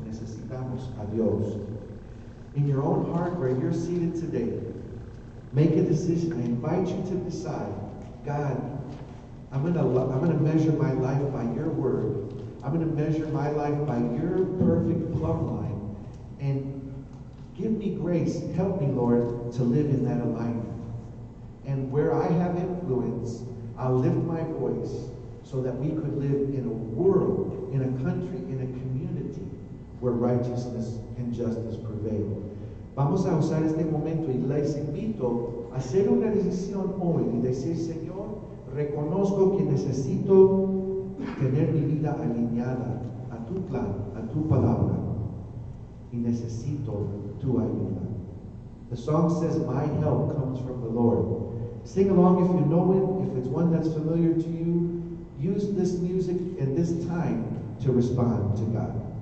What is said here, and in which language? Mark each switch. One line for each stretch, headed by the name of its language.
Spanish: Necesitamos a Dios.
English: In your own heart, where you're seated today, make a decision. I invite you to decide, God, I'm gonna measure my life by your word. I'm gonna measure my life by your perfect plumb line. And give me grace, help me, Lord, to live in that alignment. And where I have influence, I'll lift my voice so that we could live in a world, in a country, in a community where righteousness and justice prevail.
Spanish: Vamos a usar este momento y les invito a hacer una decisión hoy y decir, Señor, reconozco que necesito tener mi vida alineada a tu plan, a tu palabra, y necesito tu ayuda.
English: The song says, my help comes from the Lord. Sing along if you know it, if it's one that's familiar to you. Use this music and this time to respond to God.